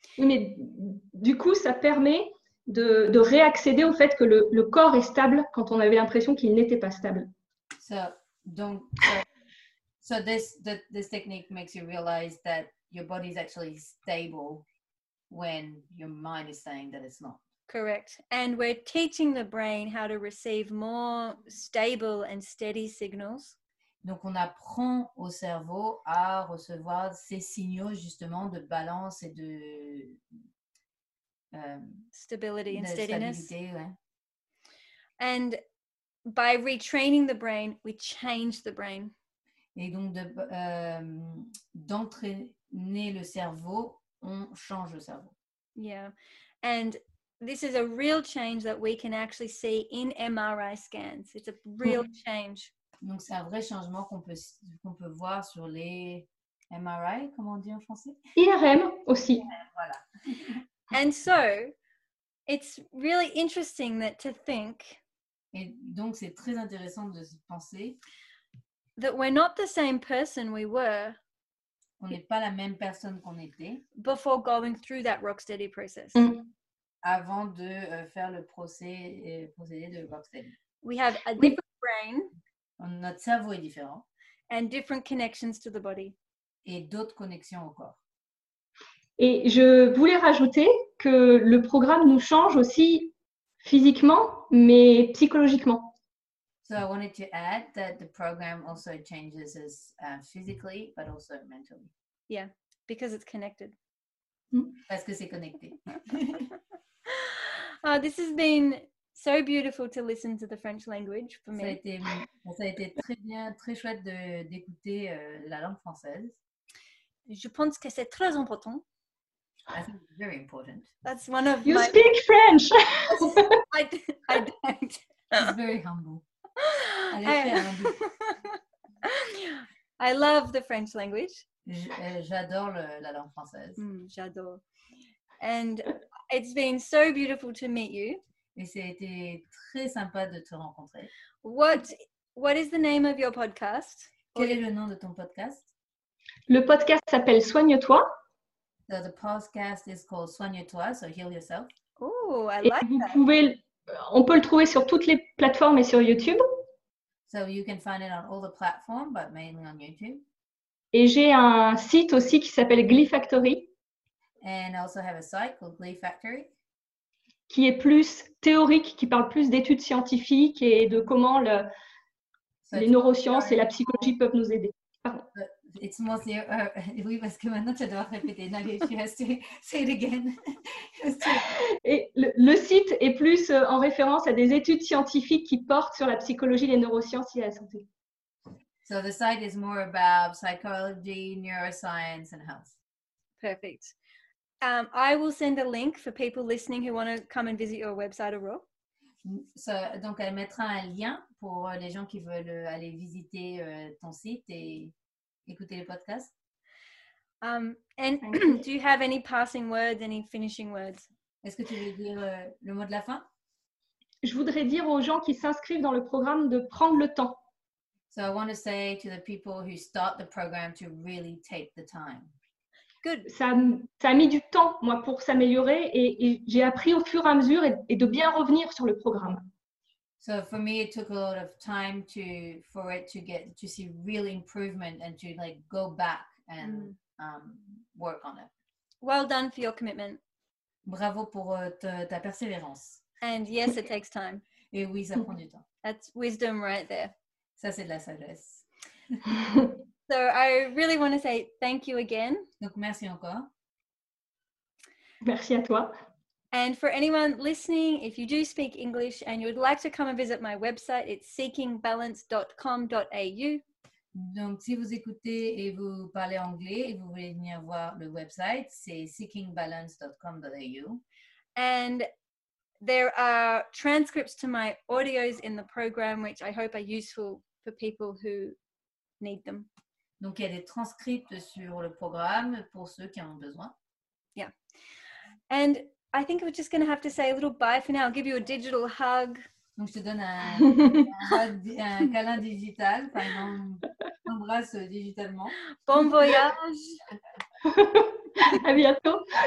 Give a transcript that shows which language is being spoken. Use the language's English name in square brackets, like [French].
[French] Oui, mais du coup, ça permet de réaccéder au fait que le corps est stable quand on avait l'impression qu'il n'était pas stable. [English] So this technique makes you realize that your body is actually stable when your mind is saying that it's not. Correct. And we're teaching the brain how to receive more stable and steady signals. [French] Donc on apprend au cerveau à recevoir ces signaux justement de balance et de [English] stability and steadiness. [French] Stabilité, ouais. [English] And by retraining the brain, we change the brain. [French] Et donc d'entraîner le cerveau, on change le cerveau. [English] Yeah. And this is a real change that we can actually see in MRI scans. It's a real change. [French] Donc c'est un vrai changement qu'on peut voir sur les MRI, comment on dit en français? IRM aussi. Voilà. [English] And so, it's really interesting that to think. [French] Et donc c'est très intéressant de penser [English] that we're not the same person we were. [French] On n'est pas la même personne qu'on était. [English] Before going through that rock steady process. [French] Avant de faire le procédé de rock steady. [English] We have a different brain. [French] Notre cerveau est différent. [English] And different connections to the body. [French] Et d'autres connexions au corps. Et je voulais rajouter que le programme nous change aussi physiquement, mais psychologiquement. [English] So I wanted to add that the program also changes us physically, but also mentally. Yeah, because it's connected. [French] Parce que c'est connecté. [English] This has been so beautiful to listen to the French language for me. [French] Ça a été très bien, très chouette d'écouter la langue française. Je pense que c'est très important. [English] That's very important. That's one of you my... You speak French! I don't. It's very humble. I love the French language. [French] J'adore la langue française. J'adore. [English] And it's been so beautiful to meet you. [French] Et ça a été très sympa de te rencontrer. [English] What is the name of your podcast? [French] Quel est le nom de ton podcast? Le podcast s'appelle Soigne-toi. [English] So the podcast is called Soigne-toi, so heal yourself. Oh, I [French] et [English] like [French] vous [English] that. [French] On peut le trouver sur toutes les plateformes et sur YouTube. [English] So you can find it on all the platforms, but mainly on YouTube. [French] Et j'ai un site aussi qui s'appelle Glee Factory. [English] And I also have a site called Glee Factory. [French] Qui est plus théorique, qui parle plus d'études scientifiques et de comment les neurosciences et la psychologie peuvent nous aider. [English] It's mostly, [French] oui, parce que maintenant, tu dois répéter. Non, tu as [English] to say it again. [French] Et le site est plus en référence à des études scientifiques qui portent sur la psychologie, les neurosciences et la santé. [English] So the site is more about psychology, neuroscience and health. Perfect. I will send a link for people listening who want to come and visit your website, Aurore. [French] So, donc, elle mettra un lien pour les gens qui veulent aller visiter ton site et écouter les podcasts. [English] And do you have any passing words, any finishing words? [French] Est-ce que tu veux dire le mot de la fin? Je voudrais dire aux gens qui s'inscrivent dans le programme de prendre le temps. [English] So, I want to say to the people who start the program to really take the time. Good. [French] Ça a mis du temps, moi, pour s'améliorer et j'ai appris au fur et à mesure et de bien revenir sur le programme. [English] So for me, it took a lot of time to see real improvement and to like go back and work on it. Well done for your commitment. [French] Bravo pour ta persévérance. [English] And yes, it takes time. [French] Et oui, ça prend du temps. [English] That's wisdom right there. [French] Ça, c'est de la sagesse. [English] So I really want to say thank you again. [French] Donc merci encore. Merci à toi. [English] And for anyone listening, if you do speak English and you would like to come and visit my website, it's seekingbalance.com.au. [French] Donc, si vous écoutez et vous parlez anglais et vous voulez venir voir le website, c'est seekingbalance.com.au. [English] And there are transcripts to my audios in the program, which I hope are useful for people who need them. [French] Donc, il y a des transcripts sur le programme pour ceux qui en ont besoin. [English] Yeah. And I think we're just going to have to say a little bye for now. I'll give you a digital hug. [French] Donc, je te donne un câlin digital, enfin, un embrasse digitalement. Bon voyage. À bientôt.